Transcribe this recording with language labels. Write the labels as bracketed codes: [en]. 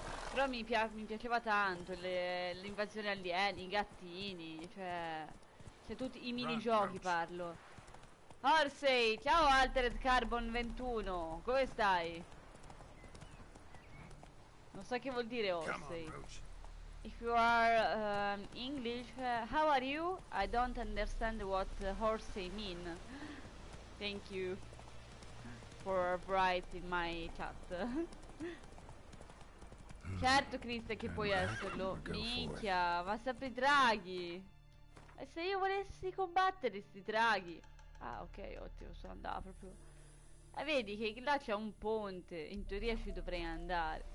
[it] Però mi piaceva tanto l'invasione alieni, i gattini, cioè tutti i minigiochi parlo. Orsey, ciao Altered Carbon 21, come stai? Non so che vuol dire Orsey. [en] If you are English, how are you? I don't understand what Orsey mean. Thank you for writing my chat. [it] Certo, Cristo, che puoi esserlo. Minchia, ma sempre i draghi. E se io volessi combattere sti draghi? Ah, ok, ottimo, sono andato proprio. Vedi che là c'è un ponte. In teoria ci dovrei andare.